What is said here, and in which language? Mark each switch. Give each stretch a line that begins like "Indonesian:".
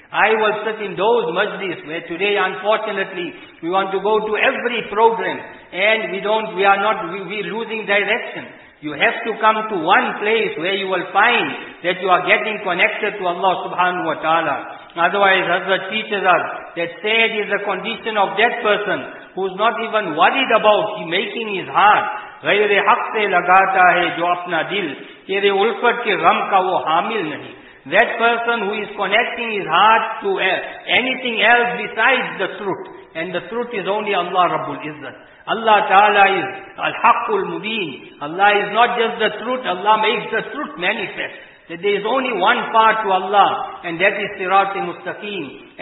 English: I will sit in those majlis where today, unfortunately, we want to go to every program and we are losing direction. You have to come to one place where you will find that you are getting connected to Allah subhanahu wa ta'ala. Otherwise, Hazrat teaches us that sad is the condition of that person who is not even worried about making his heart.
Urdu: غَيْرِ حَقْ سَي لَگَاتَا ہے جو اپنا دل تیرے الفت کے غم کا وہ حامل نہیں.
English: That person who is connecting his heart to anything else besides the truth, and the truth is only Allah Rabbul Izzat. Allah Ta'ala is Al-Haqqul Mubeen. Allah is not just the truth, Allah makes the truth manifest. That there is only one path to Allah, and that is Sirat Mustaqeem.